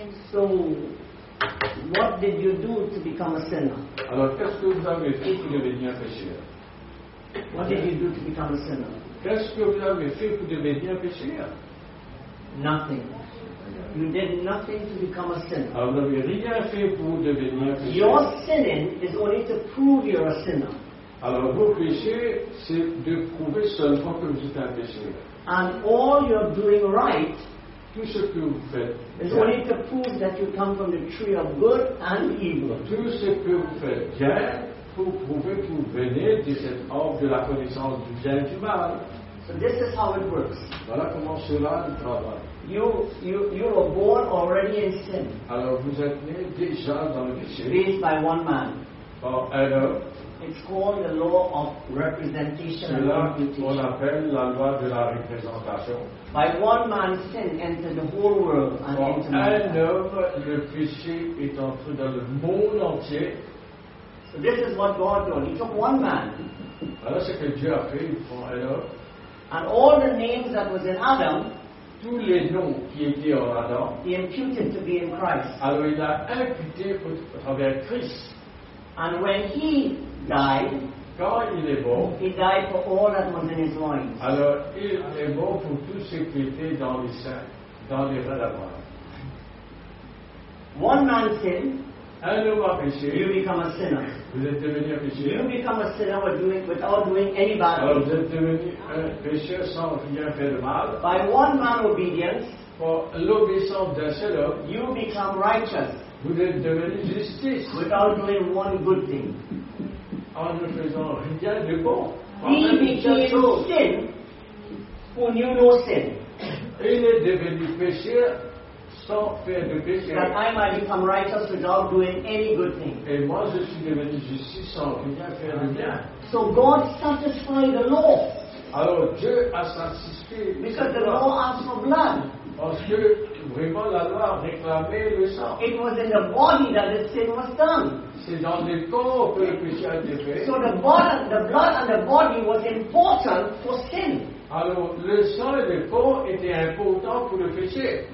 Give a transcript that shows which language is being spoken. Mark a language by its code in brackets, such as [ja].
[en] So, what did you do to become a sinner? [fr] Alors qu'est-ce que vous avez fait pour devenir pécheur? [en] What did you do to become a sinner? [fr] Qu'est-ce que vous avez fait pour devenir pécheur? [en] Nothing. You did nothing to become a sinner. [fr] Alors, vous n'avez rien fait pour devenir un pécheur. [en] Your sinning is only to prove you're a sinner. [fr] Alors, vos péchés, c'est de prouver seulement que vous êtes un pécheur. [en] And all you're doing right, [fr] tout ce que vous faites, [en] is bien. Only to prove that you come from the tree of good and evil. [fr] Tout ce que vous faites bien, pour prouver que vous venez de cet arbre de la connaissance du bien et du mal. [en] So this is how it works. [fr] Voilà comment cela travaille. [en] You were born already in sin. [fr] Alors vous êtes né déjà dans le péché. [en] Raised by one man. [fr] Par un homme. [en] It's called the law of representation. [fr] Cela qu'on appelle la loi de la représentation. [en] By one man's sin entered the whole world and [fr] par [en] into man. [fr] Un homme, le péché est entré dans le monde entier. [en] So this is what God did. He took one man. [fr] Voilà ce que Dieu a fait pour un homme. [en] And all the names that was in Adam, [fr] tous les noms qui étaient en Adam, [en] he imputed to be in Christ. [fr] Alors il a imputé au travers Christ. [en] And when he died, [fr] quand il est mort, [en] he died for all that was in his loins. [fr] Alors il est mort pour tout ce qui était dans les saints, dans les reins d'Abraham. [en] One man sinned. [fr] Un homme a péché. [en] You become a sinner. [fr] Vous êtes devenu un péché. [en] You become a sinner without doing any bad. [fr] Alors vous êtes devenu un péché sans rien faire de mal. [en] By one man obedience, [fr] pour l'obéissance d'un seul homme, [en] you become righteous. [fr] Vous êtes devenu justice. [en] Without doing one good thing. [fr] En ne faisant rien de bon. [en] He became sin who knew no sin. [fr] Il est devenu péché. Sans faire de péché. [en] That I might become righteous without doing any good thing. [fr] Et moi je suis devenu justice sans rien faire de bien. [en] So God satisfied the law. [fr] Alors Dieu a satisfait. [en] Because the law asked for blood. [fr] Parce que vraiment la loi réclamait le sang. [en] It was in the body that the sin was done. [fr] C'est dans le corps que le péché a été fait. [en] So the blood and the body was important for sin. [fr] Alors, le sang et le corps étaient importants pour le péché.